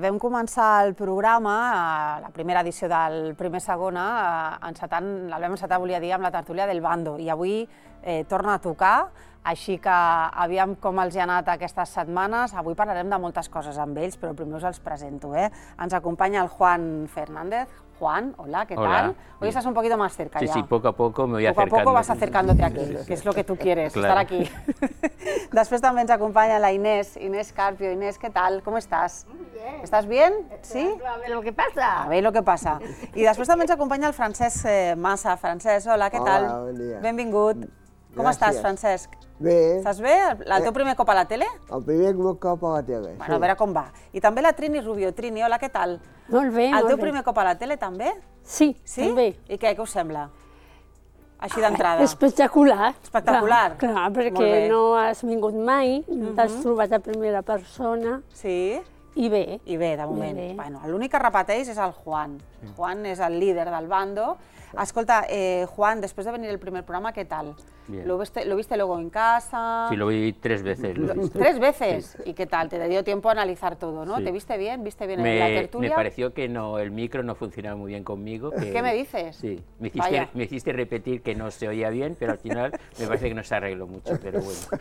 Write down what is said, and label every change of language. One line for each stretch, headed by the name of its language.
Catalan: Vam començar el programa, la primera edició del primer segona, amb la tertúlia del bando. I avui torna a tocar, així que aviam com els hi ha anat aquestes setmanes. Avui parlarem de moltes coses amb ells, però primer us els presento. Ens acompanya el Juan Fernández. Juan, hola,
Spanish: ¿qué tal? Hoy estás un poquito más cerca Sí, poco a poco me voy acercando. Poco a poco vas acercándote aquí, que es lo que tú quieres, estar aquí. Después también se acompaña la Inés Carpio. Inés, ¿qué tal? ¿Cómo estás? Muy bien. ¿Estás bien? ¿Sí? A ver lo que pasa. A ver lo que pasa. Y después también se acompaña el Francesc Massa. Francesc, hola, ¿qué tal? Hola, buen día.
Catalan: Benvingut.
Spanish: Gracias. ¿Cómo estás, Francesc?
Catalan: Bé. Estàs bé? El teu primer cop a la tele? El primer cop a la tele, sí. Bueno, a veure com va. I també la Trini Rubio. Trini, hola, què tal? Molt bé, molt bé. El teu primer cop a la tele, també? Sí, també. I què us sembla? Així d'entrada. Espectacular. Espectacular. Clar, perquè no has vingut mai, t'has trobat a primera persona. Sí. I bé. I bé, de moment. Bueno, l'únic que repeteix és el Juan. Juan és el líder del bando. Escolta,
Spanish: Juan, después de venir el primer programa, ¿qué tal? Bien. ¿Lo viste luego en casa? Sí, lo vi tres veces. ¿Tres veces? Sí. ¿Y qué tal? Te dio tiempo a analizar todo, ¿no? Sí. ¿Te viste bien? ¿Viste bien en la tertulia? Me pareció que no, el micro no funcionaba muy bien conmigo. ¿Qué me dices? Sí, me hiciste repetir que no se oía bien, pero al final me parece que no se arregló mucho, pero bueno.